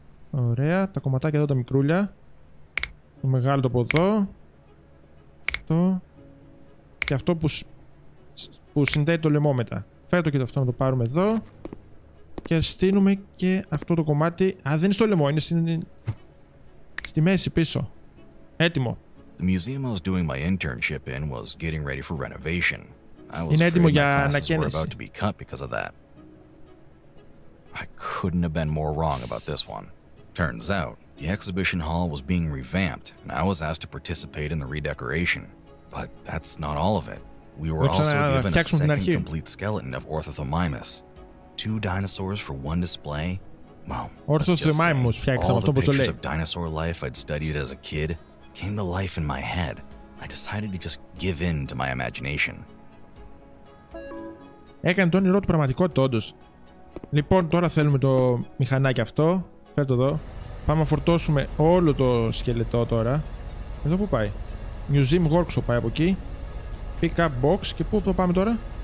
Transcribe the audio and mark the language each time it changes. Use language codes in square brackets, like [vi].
[el] Ωραία, τα κομματάκια εδώ τα μικρούλια. Το μεγάλο το από εδώ. Αυτό. Και αυτό που συνδέει το λαιμό μετά. Φέτο και το αυτό να το πάρουμε εδώ. Και στείνουμε και αυτό το κομμάτι. Α, δεν είναι στο λαιμό, είναι στη μέση πίσω. Έτοιμο. [en] The museum I was doing my internship in was getting ready for renovation. [el] Είναι έτοιμο για ανακαίνιση. [en] About to be cut because of that. I couldn't have been more wrong about this one. Turns out the exhibition hall was being revamped and I was asked to participate in the redecoration. But that's not all of it. We were also given a second complete skeleton of Orthothomimus. Two dinosaurs for one display? Well, Orthothomimus, all the pictures of dinosaur life I'd studied as a kid came to life in my head. I decided to just give in to my imagination. [el] Έκανε το όνειρό του πραγματικότητα, όντως. Λοιπόν, τώρα θέλουμε το μηχανάκι αυτό. Φέρ' το εδώ. Πάμε να φορτώσουμε όλο το σκελετό τώρα. Εδώ πού πάει? Museum Workshop πάει από εκεί. [en] Pick up box. [el] Και πού το πάμε τώρα?